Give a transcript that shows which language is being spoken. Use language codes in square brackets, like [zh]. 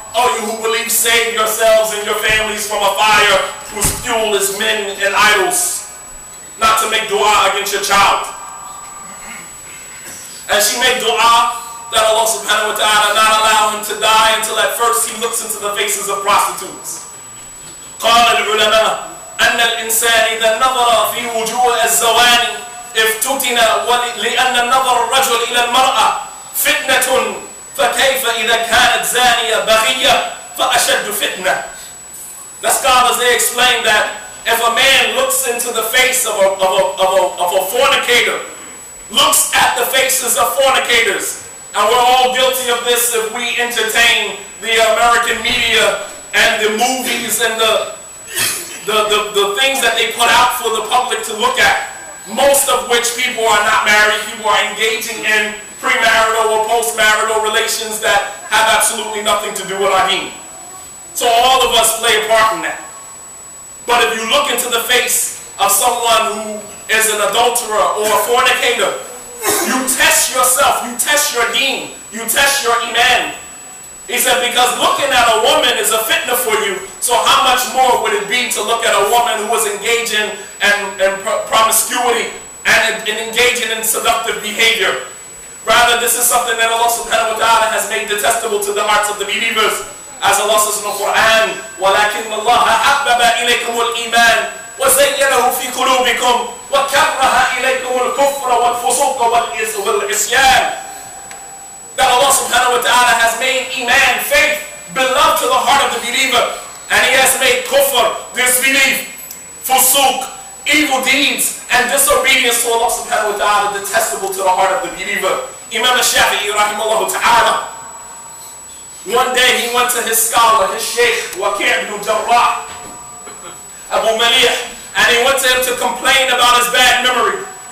[en] Oh, you who believe, save yourselves and your families from a fire whose fuel is men and idols. Not to make dua against your child. And she made dua that Allah subhanahu wa ta'ala not allow him to die until at first he looks into the faces of prostitutes. [ar] قال العلماء أن الإنسان إذا نظر في وجوه الزواني افتتن لأن النظر الرجل إلى المرأة فتنة. فكيف إذا كانت زانية بغية فأشد فتنة. [en] The scholars, they explain that if a man looks into the face of a fornicator, looks at the faces of fornicators, and we're all guilty of this if we entertain the American media and the movies and the things that they put out for the public to look at, most of which people are not married, people are engaging in premarital or postmarital relations that have absolutely nothing to do with our deen. So all of us play a part in that. But if you look into the face of someone who is an adulterer or a fornicator, you test yourself, you test your deen, you test your iman. He said, because looking at a woman is a fitna for you, so how much more would it be to look at a woman who is engaging in promiscuity and engaging in seductive behavior? Rather, this is something that Allah subhanahu wa ta'ala has made detestable to the hearts of the believers. As Allah says in the Quran, [ar] وَلَكِنَّ اللَّهَ حَبَّبَ إِلَيْكُمُ الْإِيمَانِ وَزَيَّنَهُ فِي قُلُوبِكُمْ وَكَرَّهَ إِلَيْكُمُ الْكُفْرَ وَالْفُسُوقَ وَالْعِصْيَانِ. [en] That Allah subhanahu wa ta'ala has made iman, faith, beloved to the heart of the believer. And he has made kufr, disbelief, fusuq, evil deeds, and disobedience to Allah subhanahu wa ta'ala detestable to the heart of the believer. Imam al-Shafi'i rahimahullah ta'ala, one day he went to his scholar, his sheikh, Waqi' ibn Jarrah, Abu Maliyah, and he went to him to complain about his bad memory.